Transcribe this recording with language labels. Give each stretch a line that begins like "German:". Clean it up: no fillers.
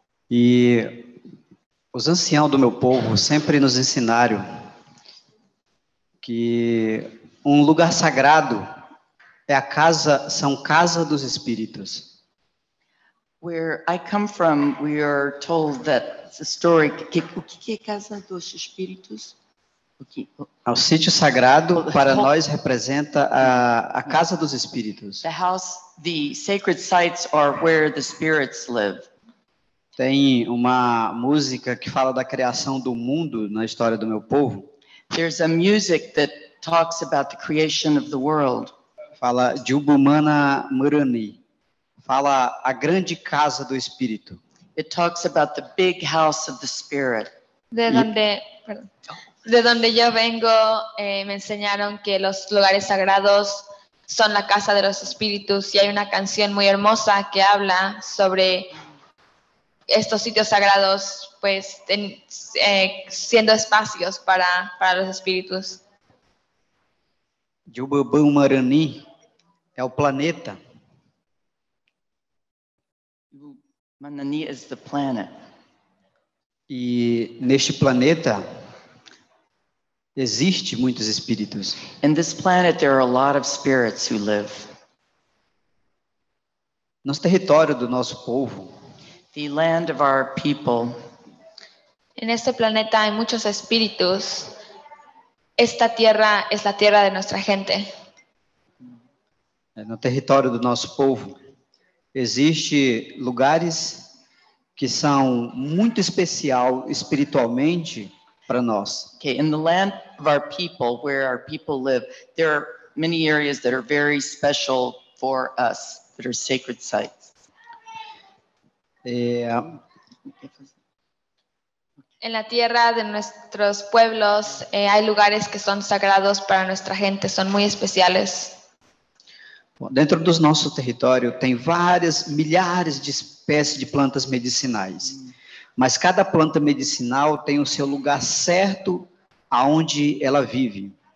Portuguese: E os anciãos do meu povo sempre nos ensinaram que um lugar sagrado é a casa, são casa dos espíritos.
English: Where I come from, we are told that it's historic.
Portuguese: O que é casa dos espíritos? O sítio sagrado para nós representa a casa dos espíritos.
English: The house, the sacred sites are where the spirits live.
Portuguese: Tem uma música que fala da criação do mundo na história do meu povo.
English: There's a music that talks about the creation of the world.
Portuguese: Fala de Ubumana Murani. Fala a grande casa do espírito.
English: It talks about the big house of the spirit.
Spanish: De donde yo vengo, me enseñaron que los lugares sagrados son la casa de los espíritus y hay una canción muy hermosa que habla sobre estos sitios sagrados, pues siendo espacios para los espíritus. Yububumarani es el planeta. Yububumarani es el planeta. Y en este planeta existe muitos espíritos.
English: In this planet there are a lot of spirits who live.
Portuguese: Nosso território do nosso povo.
English: The land of our people.
Spanish: En este planeta hay muchos espíritus. Esta tierra es la tierra de nuestra gente.
Portuguese: No território do nosso povo existe lugares que são muito especial espiritualmente para nós.
English: Okay, in the land of our people, where our people live, there are many areas that are very special for us, that are sacred sites.
Spanish: En la tierra de nuestros pueblos, hay lugares que son sagrados para nuestra gente, son muy especiales.
Portuguese: Bom, dentro do nosso território tem várias milhares de espécies de plantas medicinais. Mas cada planta medicinal tem o seu lugar certo aonde ela vive.